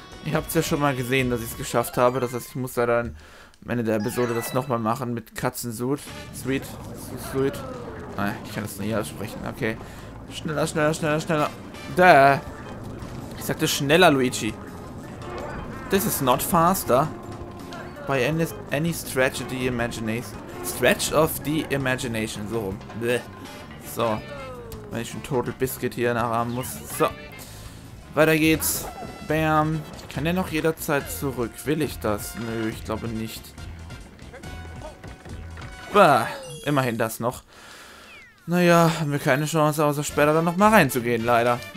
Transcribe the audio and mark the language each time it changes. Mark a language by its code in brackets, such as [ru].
[de] Ich hab's ja schon mal gesehen, dass ich es geschafft habe. Das heißt, ich muss da dann am Ende der Episode das nochmal machen mit Katzensuit. [en] Sweet. Sweet. [de] Nein, ich kann das nicht aussprechen. Okay. Schneller, schneller, schneller, schneller. Da. Ich sagte schneller, Luigi. [en] This is not faster. By any stretch of the imagination. Stretch of the imagination. So. Bleh. So. [de] Wenn ich ein Total Biscuit hier nachahmen muss. So. Weiter geht's. Bam. Kann der noch jederzeit zurück? Will ich das? Nö, ich glaube nicht. Bah, immerhin das noch. Naja, haben wir keine Chance, außer später dann nochmal reinzugehen, leider.